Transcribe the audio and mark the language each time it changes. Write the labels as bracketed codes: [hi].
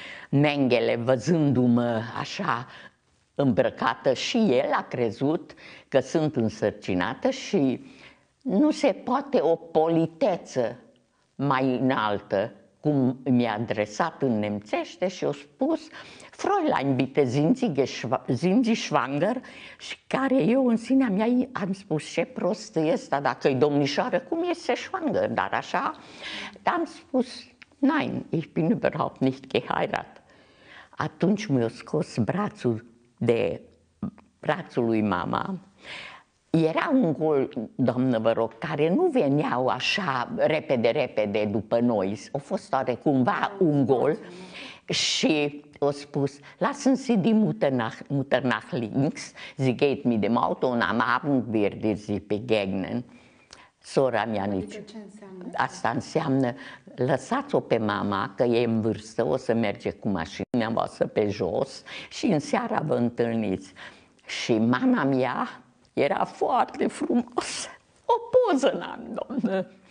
[ro] Mengele, văzându-mă așa îmbrăcată, și el a crezut că sunt însărcinată și nu se poate o politeță mai înaltă, cum mi-a adresat în nemțește și a spus [de] Fräulein, bitte, sind Sie schwanger? [ro] Și care eu în sinea mea am spus, ce prost e asta, dacă e domnișoară, cum este schwanger? Dar așa, dar am spus, [de] nein, ich bin überhaupt nicht geheirat. [ro] Atunci mi-a scos brațul de brațul lui mama. Era un gol, doamnă, vă rog, care nu veneau așa repede, repede după noi. A fost oarecumva un gol și a spus, [de] lassen Sie die Mutter nach links, sie geht mit dem Auto und am Abend wird ihr sie begegnen. [ro] Sora mea nici. Ce înseamnă? Asta înseamnă, lăsați-o pe mama, că e în vârstă, o să merge cu mașina voastră pe jos și în seara vă întâlniți. Și mama mea era foarte frumoasă. O poză n-am, doamnă.